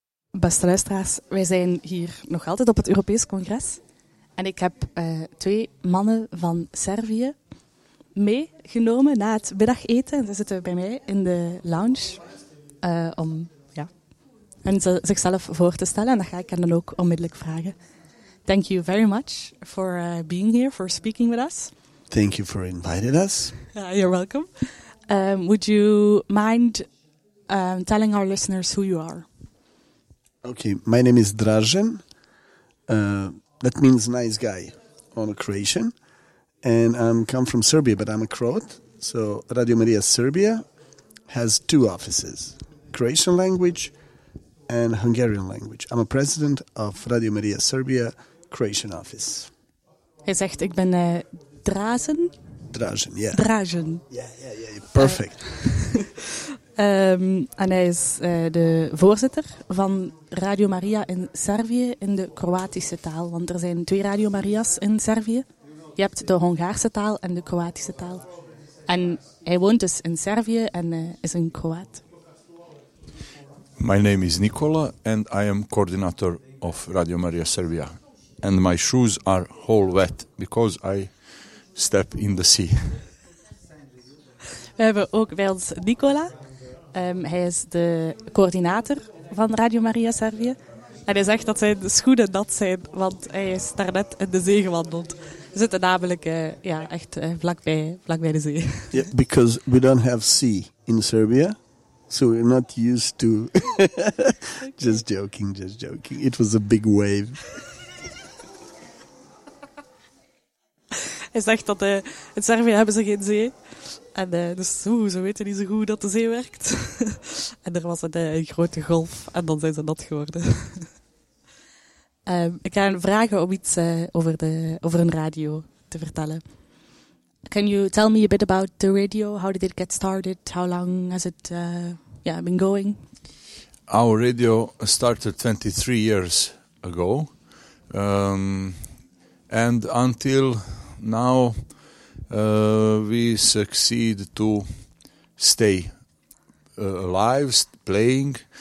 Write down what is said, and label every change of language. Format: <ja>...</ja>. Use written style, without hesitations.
<nl>Beste luisteraars, wij zijn hier nog altijd op het Europees Congres. En ik heb twee mannen van Servië meegenomen na het middageten. Ze zitten bij mij in de lounge om zichzelf voor te stellen. En dat ga ik hen dan ook onmiddellijk vragen.</nl> <en>Thank you very much for being here, for speaking with us. Thank you for inviting us. You're welcome. Would you mind telling our listeners who you are? Okay, my name is Dražen. That means nice guy on Croatian. And I come from Serbia, but I'm a Croat. So Radio Maria Serbia has two offices, Croatian language and Hungarian language. I'm a president of Radio Maria Serbia Croatian office.</en> <nl>Hij zegt, ik ben Dražen.</nl> <en>Dražen, yeah. Dražen. Yeah. Perfect.</en> <nl>En hij is de voorzitter van Radio Maria in Servië in de Kroatische taal. Want er zijn twee Radio Maria's in Servië. Je hebt de Hongaarse taal en de Kroatische taal. En hij woont dus in Servië en is een Kroaat.</nl> <en>My name is Nicola and I am coordinator of Radio Maria Serbia. And my shoes are whole wet because I step in the sea.</en> <nl>We hebben ook bij ons Nicola. Hij is de coördinator van Radio Maria Servië. En hij zegt dat zijn schoenen nat zijn, want hij is daarnet in de zee gewandeld. We zitten namelijk vlakbij de zee.</nl> <en>Yeah, because we don't have sea in Serbia, so we're not used to... just joking. It was a big wave.</en> <nl>Hij zegt dat in Servië hebben ze geen zee. En ze weten niet zo goed dat de zee werkt. En er was een grote golf en dan zijn ze nat geworden. Ik ga vragen om iets over een radio te vertellen.</nl> <en>Can you tell me a bit about the radio? How did it get started? How long has it been going? Our radio started 23 years ago. And until now... we succeed to stay alive, playing.</en>